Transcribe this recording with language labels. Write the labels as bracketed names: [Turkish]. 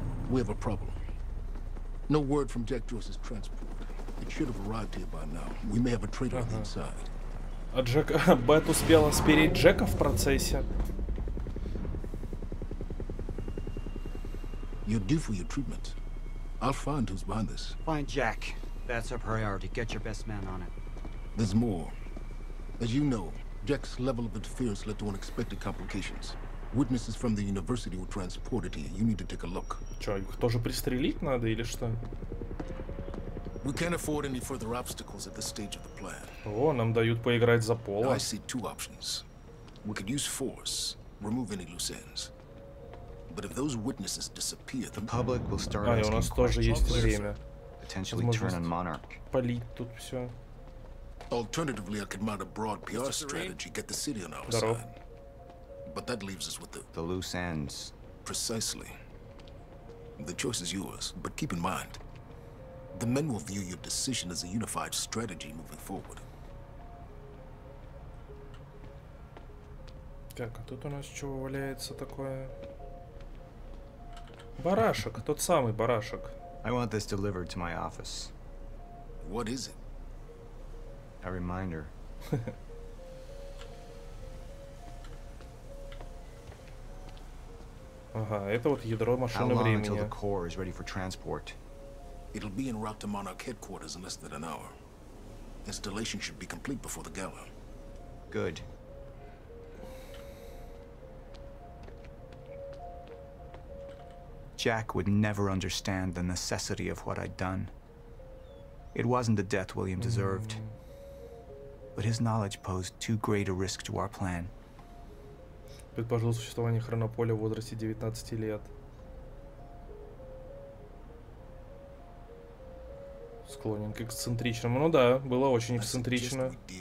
[English] We have a problem. No word from Jack Joyce's transport. It should have arrived here by now. We may have a traitor on the inside. [Russian] А Джек, Бет успела спереть Джека в процессе. [English] You're due for your treatment. I'll find who's behind this. Find Jack. That's a priority. Get your best man on it. There's more. As you know, Jack's level of interference led to unexpected complications. Witnesses from the university were transported here. You need to take a look. [Russian] Чё, их тоже пристрелить надо или что? [English] We can't afford any further obstacles at this stage of the plan. [Russian] О, нам дают поиграть за Пола. [English] I see two options. We could use force, remove any loose ends. But if those witnesses disappear, the public will start asking questions. [Russian] А, у нас тоже есть время. [English] Potentially turn on Monarch. [Russian] Полить тут всё. [English] Alternatively, I could mount a broad PR strategy, get the city on our side. But that leaves us with the loose ends. Precisely. The choice is yours, but keep in mind, the men will view your decision as a unified strategy moving forward. [Russian] Так, а тут у нас чего валяется такое? Барашек, тот самый барашек. [English] I want this delivered to my office. What is it? A reminder. [Russian] Ага, это вот ядро машины времени. [English] How long until the core is ready for transport? It'll be en route to Monarch headquarters in less than an hour. Installation should be complete before the gala. Good. Jack would never understand the necessity of what I'd done. It wasn't the death William deserved. But his knowledge posed too great a risk to our plan. [Russian] Предположил существование хронополя в возрасте 19 лет. Склонен к эксцентричному. Ну да, было очень эксцентрично.